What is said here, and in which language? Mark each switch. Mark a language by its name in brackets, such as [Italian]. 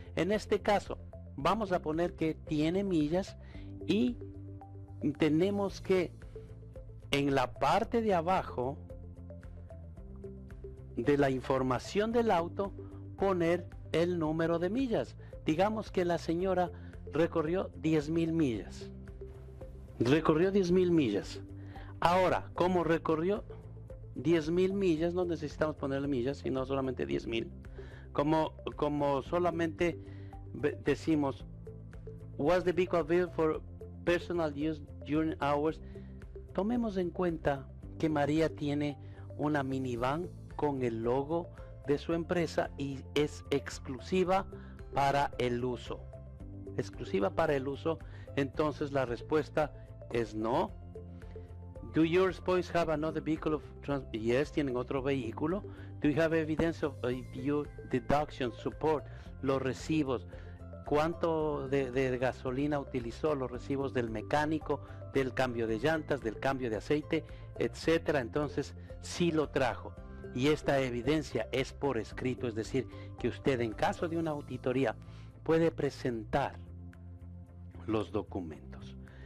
[Spanish] En este caso, vamos a poner que tiene millas y tenemos que en la parte de abajo de la información del auto poner el número de millas. Digamos que la señora recorrió 10.000 millas. Recorrió 10.000 millas. Ahora, ¿cómo recorrió 10.000 millas? No necesitamos ponerle millas, sino solamente 10.000. [English] Como solamente decimos, was the vehicle built for personal use during hours? [Spanish] Tomemos en cuenta que María tiene una minivan con el logo de su empresa y es exclusiva para el uso. Exclusiva para el uso. Entonces la respuesta es no. [English] Do your employees have another vehicle of transport? [Spanish] Yes, tienen otro vehículo. [English] Do you have evidence of your deduction support? [Spanish] Los recibos. ¿Cuánto de gasolina utilizó? Los recibos del mecánico, del cambio de llantas, del cambio de aceite, etcétera. Entonces, sí lo trajo. Y esta evidencia es por escrito. Es decir, que usted en caso de una auditoría puede presentar los documentos.